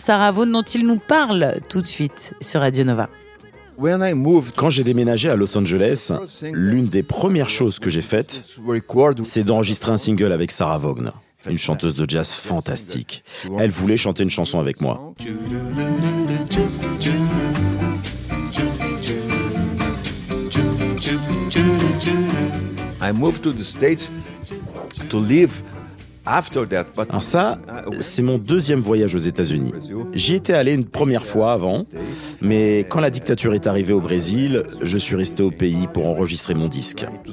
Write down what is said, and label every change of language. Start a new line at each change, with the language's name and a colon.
French: Sarah Vaughan, dont il nous parle tout de suite sur Radio Nova. Quand j'ai déménagé à Los Angeles, l'une des premières choses que j'ai faites, c'est d'enregistrer un single avec Sarah Vaughan, une chanteuse de jazz fantastique. Elle voulait chanter une chanson avec moi.
English: I moved to the States to live
French: Alors ça, c'est mon deuxième voyage aux États-Unis. J'y étais allé une première fois avant, mais quand la dictature est arrivée au Brésil, je suis resté au pays pour enregistrer mon disque.